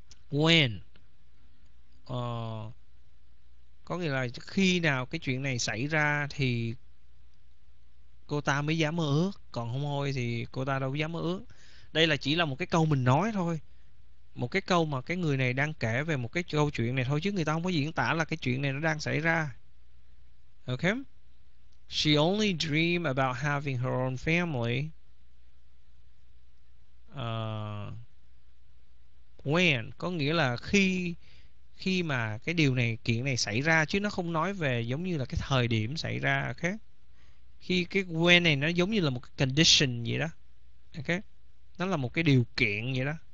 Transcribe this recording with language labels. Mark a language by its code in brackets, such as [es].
[vi] When có nghĩa là khi nào cái chuyện này xảy ra thì cô ta mới dám mơ ước, còn không thôi thì cô ta đâu dám mơ ước. Đây là chỉ là một cái câu mình nói thôi. Một cái câu mà cái người này đang kể về một cái câu chuyện này thôi, chứ người ta không có diễn tả là cái chuyện này nó đang xảy ra. Ok. [en] She only dream about having her own family. [vi] When có nghĩa là khi khi mà cái điều này kiện này xảy ra, chứ nó không nói về giống như là cái thời điểm xảy ra. Ok. Khi cái when này nó giống như là một cái condition vậy đó. Ok. Nó là một cái điều kiện vậy đó.